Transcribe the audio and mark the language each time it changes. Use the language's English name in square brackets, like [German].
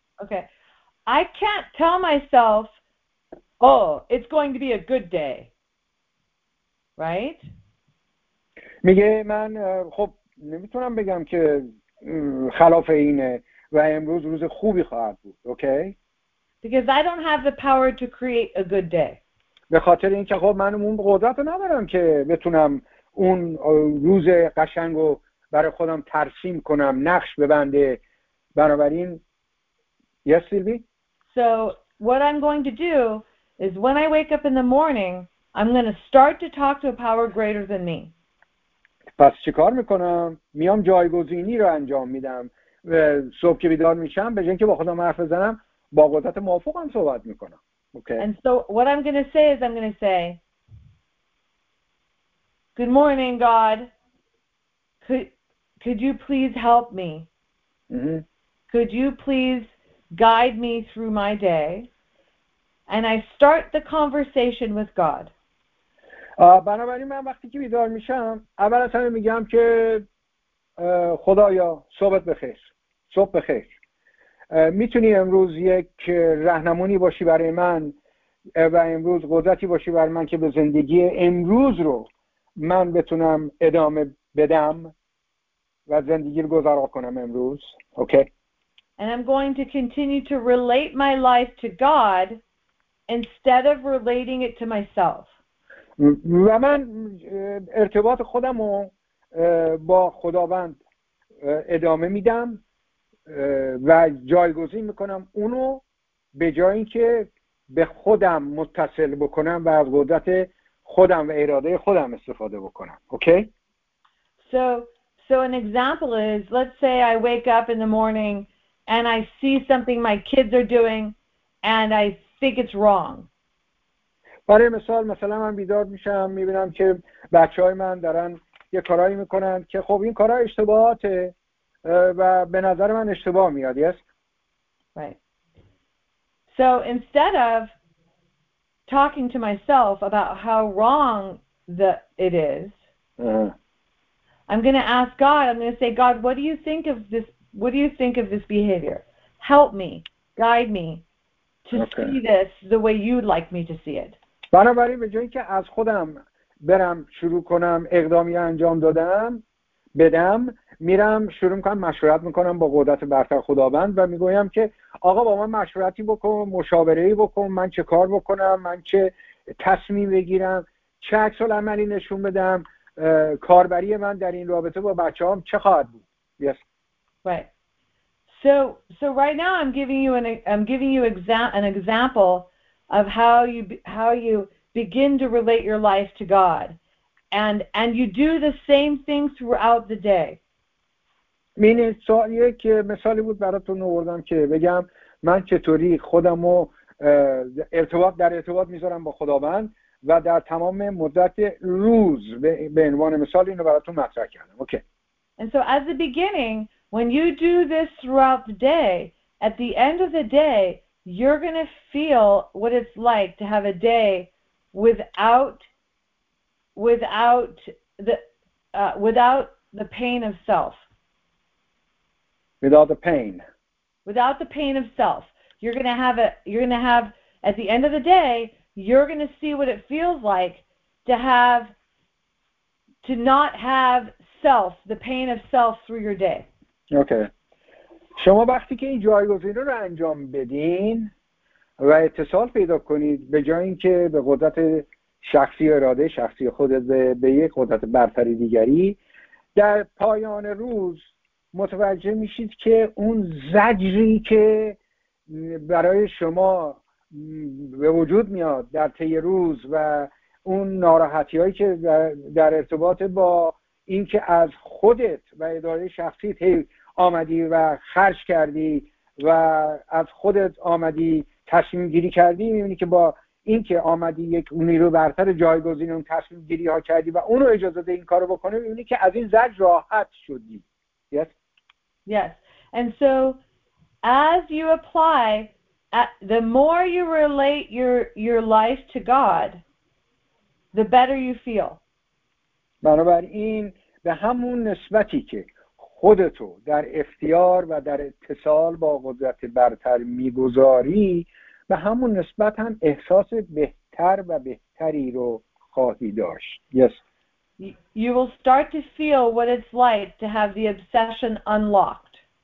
[English] Okay. I can't tell myself, oh, it's going to be a good day. Right? [Persian] میگه من خب نمیتونم بگم که خلاف اینه و امروز روز خوبی خواهد بود. [English] Okay? Because I don't have the power to create a good day. [Persian] به خاطر اینکه خب من اون قدرت رو ندارم که بتونم اون روز قشنگ رو برای خودم ترسیم کنم، نقش ببنده. بنابراین [English] Yes, Sylvie? So what I'm going to do is when I wake up in the morning, I'm going to start to talk to a power greater than me. [Persian] پس چی کار میکنم؟ میام جایگزینی رو انجام میدم. صبح که بیدار میشم به جای اینکه با خودم حرف بزنم با قدرت موافقم صحبت میکنم. [English] Okay. And so what I'm going to say is I'm going to say, good morning, God. Could you please help me? Mm-hmm. Could you please guide me through my day? And I start the conversation with God. [Persian] بنابراین من وقتی که بیدار میشم اول از همه میگم که خدایا صبحت بخیر. صبح بخیر. میتونی امروز یک رهنمونی باشی برای من و امروز قدرتی باشی برای من که به زندگی امروز رو من بتونم ادامه بدم و زندگی رو گذرا کنم امروز. [English] Okay. And I'm going to continue to relate my life to God instead of relating it to myself. [Persian] و من ارتباط خودم رو با خداوند ادامه میدم و جایگزین میکنم اونو به جایی که به خودم متصل بکنم و از قدرت خودم و اراده خودم استفاده بکنم. [English] Okay? So an example is, let's say I wake up in the morning and I see something my kids are doing and I think it's wrong. [Persian] برای مثال مثلا من بیدار میشم میبینم که بچه های من دارن یه کارایی میکنن که خب این کارها اشتباهاته و به نظر من اشتباه میاد. [English] Yes. Right. So instead of talking to myself about how wrong it is, I'm going to ask God. I'm going to say, God, what do you think of this? What do you think of this behavior? Help me, guide me to see this the way you'd like me to see it. [Persian] بنابراین به جایی که از خودم برم شروع کنم اقدامی انجام دادم بدم، میرم شروع میکنم مشورت میکنم با قدرت برتر خداوند و میگویم که آقا با من مشورتی بکن، مشاورهی بکن، من چه کار بکنم، من چه تصمیم بگیرم، چه عکس العملی نشون بدم، کاربری من در این رابطه با بچه هم چه خواهد بود. [English] Yes. Right. So right now I'm giving you an example of how you begin to relate your life to God. And you do the same thing throughout the day. [Persian] من سوالیه که مثالی بود براتون آوردم که بگم من چطوری خودمو در ارتباط میذارم با خداوند و در تمام مدت روز به عنوان مثال اینو براتون مطرح کردم. [English] Okay. And so at the beginning when you do this throughout the day, at the end of the day you're going to feel what it's like to have a day without the pain of self. Without the pain. Without the pain of self. You're going to have, at the end of the day, you're going to see what it feels like to not have self, the pain of self through your day. Okay. [Persian] شما وقتی که این جایگزین رو انجام بدین و اتصال پیدا کنید به جای این که به قدرت شخصی اراده شخصی خودت به یک قدرت برتری دیگری، در پایان روز متوجه میشید که اون زجری که برای شما به وجود میاد در طی روز و اون ناراحتی هایی که در ارتباط با اینکه از خودت و اداره شخصیت آمدی و خرج کردی و از خودت آمدی تصمیم گیری کردی، میبینی که با اینکه آمدی یک نیرو برتر جایگزین اون تصمیم گیری ها کردی و اونو اجازه ده این کارو بکنه، میبینی که از این زجر راحت شدی. [English] Yes. Yes. And so as you apply, the more you relate your life to God, the better you feel. [Persian] بنابراین به همون نسبتی که خودتو در اختیار و در اتصال با قدرت برتر میگذاری، به همون نسبت هم احساس بهتر و بهتری رو خواهی داشت. [English] Yes. You will start to feel what it's like to have the obsession unlocked.